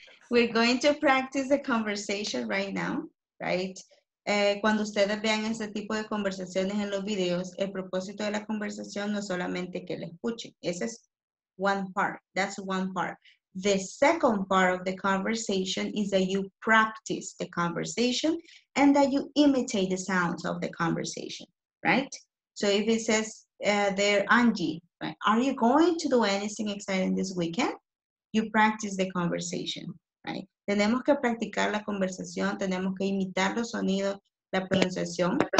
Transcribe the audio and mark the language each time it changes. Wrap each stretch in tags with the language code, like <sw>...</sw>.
<en>We're going to practice the conversation right now, right?</en> <es>Cuando ustedes vean este tipo de conversaciones en los videos, el propósito de la conversación no es solamente que la escuchen. Ese es</es> <en>one part. That's one part. The second part of the conversation is that you practice the conversation and that you imitate the sounds of the conversation, right? So if it says there, Angie, right? Are you going to do anything exciting this weekend? You practice the conversation. Right.</en> <es>Tenemos que practicar la conversación, tenemos que imitar los sonidos, la pronunciación.</es>